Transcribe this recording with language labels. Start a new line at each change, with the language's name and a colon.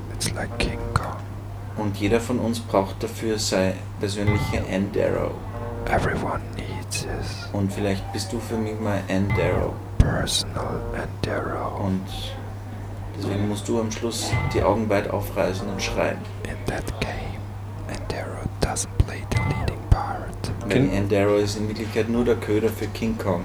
English: It's like King Kong.
German: Und jeder von uns braucht dafür sein persönlicher End Arrow.
English: Everyone needs his.
German: Und vielleicht bist du für mich mein End Arrow.
English: Personal End Arrow.
German: Und deswegen musst du am Schluss die Augen weit aufreißen und schreien.
English: In that game, Endero doesn't play the leading part.
German: Denn Endero ist in Wirklichkeit nur der Köder für King Kong.